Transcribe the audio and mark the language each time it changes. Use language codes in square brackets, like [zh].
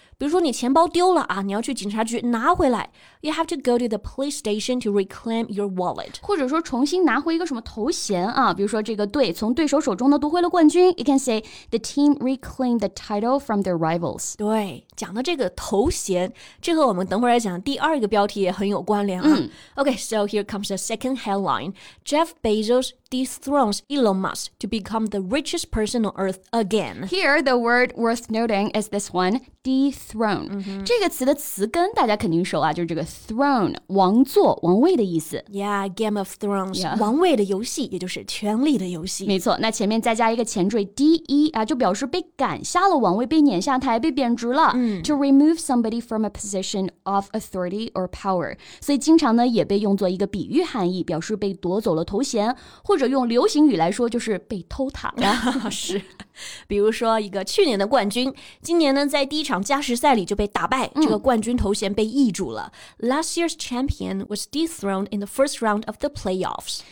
[zh] 比如说你钱包丢了啊，你要去警察局拿回来。 [en] You have to go to the police station to reclaim your wallet. [zh] 或者说重新拿回一个什么头衔啊，比如说这个队从对手手中呢夺回了冠军。 [en] You can say the team reclaimed the title from their rivals. [zh] 对，讲的这个头衔，这和我们等会儿来讲第二个标题也很有关联啊。嗯、 [en] OK, so here comes the second headline. Jeff Bezos dethrones Elon Musk to become the richest person on earth again. Here, the word worth noting is this one, dethrone.、 Mm-hmm. [zh] 这个词的词根大家肯定熟啊，就是这个 throne, 王座、王位的意思。 [en] Yeah, Game of Thrones,、 yeah. [zh] 王位的游戏，也就是权力的游戏。没错，那前面再加一个前缀 de 啊，就表示被赶下了王位，被撵下台，被贬值了。 Mm. [en] To remove somebody from a position of authority or power. [zh] 所以经常呢也被用作一个比喻含义，表示被夺走了头衔，或者用流行语来说就是被偷塔了。是，比如说一个去年的冠军今年呢在第一场加时赛里就被打败、嗯、这个冠军头衔被易主了。 [en] Last year's champion was dethroned in the first round of the playoffs.